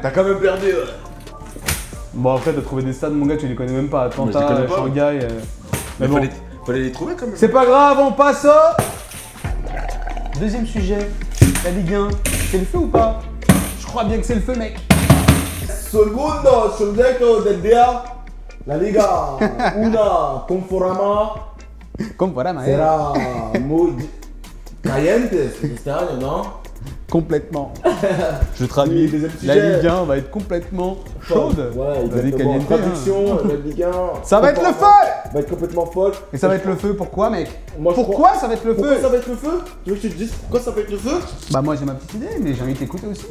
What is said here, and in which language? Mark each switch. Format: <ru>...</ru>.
<fr>T'as quand même perdu, ouais! Bon, après, t'as trouvé des stades, mon gars, tu les connais même pas. Atlanta, Shanghai. Mais bon. Fallait les trouver quand même. C'est pas grave, on passe au. Deuxième sujet, la Ligue 1. C'est le feu ou pas? Je crois bien que c'est le feu, mec.</fr> <es>Segundo, subjecto del día. La Liga. Una, Conforama. Conforama, eh. Será muy caliente este año, non?</es> <fr>Complètement. Je traduis. La Ligue 1 va être complètement chaude. Ouais, il va être traduction, la Ligue 1. Ça va être le feu. Va être complètement folle. Et ça va être le feu, pourquoi, mec? Pourquoi ça va être le feu? Pourquoi ça va être le feu? Tu veux que je te dise pourquoi ça va être le feu? Bah, moi j'ai ma petite idée, mais j'ai envie de t'écouter aussi.</fr>